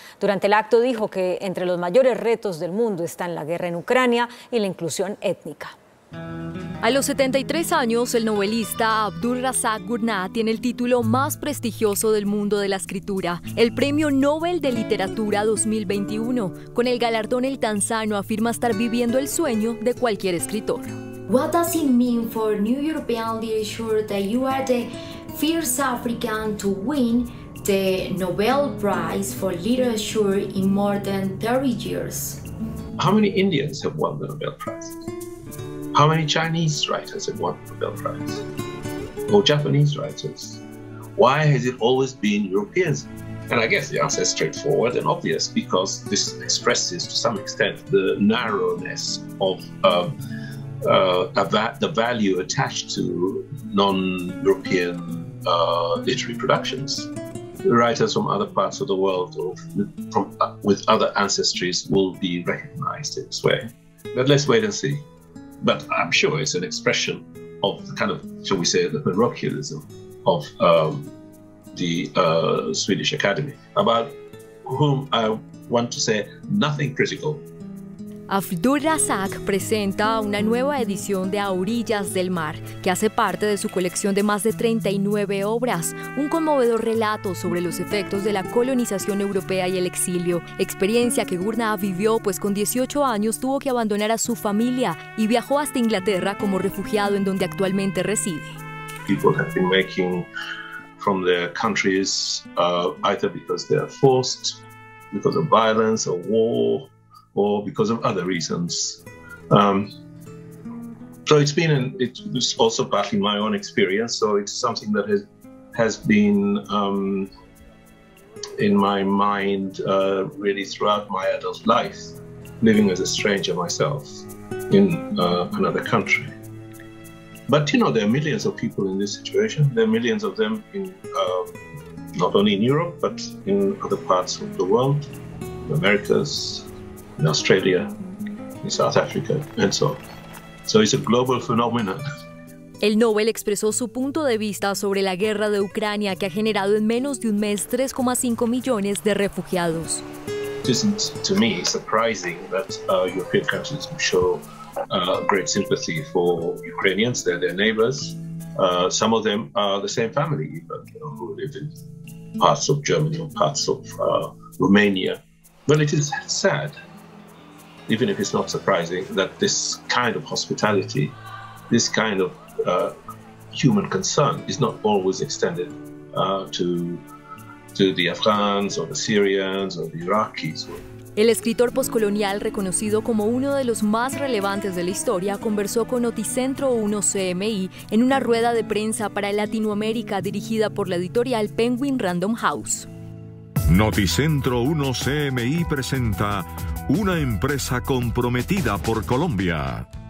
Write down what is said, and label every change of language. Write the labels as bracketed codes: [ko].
[es] Durante el acto dijo que entre los mayores retos del mundo están la guerra en Ucrania y la inclusión étnica. A los 73 años, el novelista Abdulrazak Gurnah tiene el título más prestigioso del mundo de la escritura, el Premio Nobel de Literatura 2021. Con el galardón, el tanzano afirma estar viviendo el sueño de cualquier escritor. [en] What does it mean for new European literature that you are the first African to win the Nobel Prize for Literature in more than 30 years? How many Indians have won the Nobel Prize? How many Chinese writers have won the Nobel Prize? Or Japanese writers? Why has it always been Europeans? And I guess the answer is straightforward and obvious, because this expresses to some extent the narrowness of the value attached to non-European literary productions. Writers from other parts of the world or with other ancestries will be recognized in this way. But let's wait and see. But I'm sure it's an expression of the kind of, shall we say, the parochialism of Swedish Academy, about whom I want to say nothing critical. [es] Abdul Razak presenta una nueva edición de A Orillas del Mar, que hace parte de su colección de más de 39 obras, un conmovedor relato sobre los efectos de la colonización europea y el exilio, experiencia que Gurnah vivió pues con 18 años tuvo que abandonar a su familia y viajó hasta Inglaterra como refugiado en donde actualmente reside. [en] People have been making from their countries either because they are forced, because of violence or war, or because of other reasons. So it's been, it was also partly my own experience, so it's something that has been in my mind really throughout my adult life, living as a stranger myself in another country. But you know, there are millions of people in this situation. There are millions of them in not only in Europe, but in other parts of the world, the Americas, in Australia, in South Africa, and so on. So it's a global phenomenon. [es] El Nobel expresó su punto de vista sobre la guerra de Ucrania, que ha generado en menos de un mes 3,5 millones de refugiados. [en] It isn't, to me, surprising that European countries show great sympathy for Ukrainians. They're their neighbors. Some of them are the same family, even, you know, who live in parts of Germany or parts of Romania. Well, it is sad, even if it's not surprising, that this kind of hospitality, this kind of human concern is not always extended to the Afghans or the Syrians or the Iraqis. [es] El escritor poscolonial, reconocido como uno de los más relevantes de la historia, conversó con Noticentro 1 CMI en una rueda de prensa para Latinoamérica dirigida por la editorial Penguin Random House. Noticentro 1 CMI presenta una empresa comprometida por Colombia.